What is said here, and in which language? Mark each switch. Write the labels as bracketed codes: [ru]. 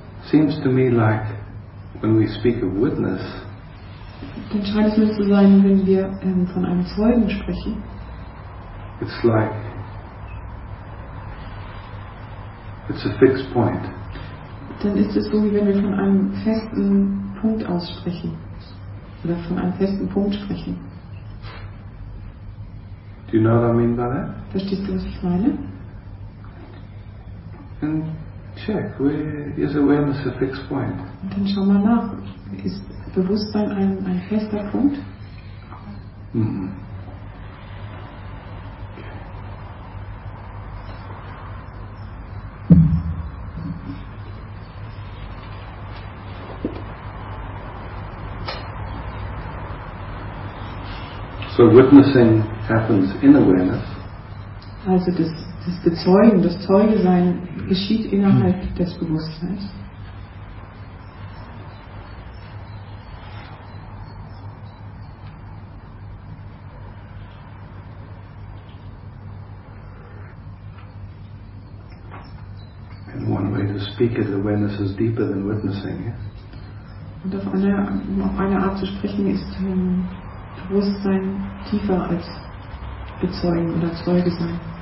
[en] Seems to me like when we speak of witness. [de] Dann scheint es mir zu sein, wenn wir von einem Zeugen sprechen. [en] It's like it's a fixed point. [de] Dann ist es so, wie wenn wir von einem festen Punkt aussprechen. Oder von einem festen Punkt sprechen. [en] Do you know what I mean by that? [de] Verstehst du, was ich meine? [en] And check, where is awareness a fixed point? [de] Und dann schau mal nach. Ist Bewusstsein ein fester Punkt? Mm-mm. [en] So witnessing happens in awareness. [de] Also das Bezeugen, das Zeugesein geschieht innerhalb des Bewusstseins. [en] And one way to speak is awareness is deeper than witnessing. [de] Und auf eine Art zu sprechen ist Bewusstsein tiefer als Bezeugen oder Zeuge sein.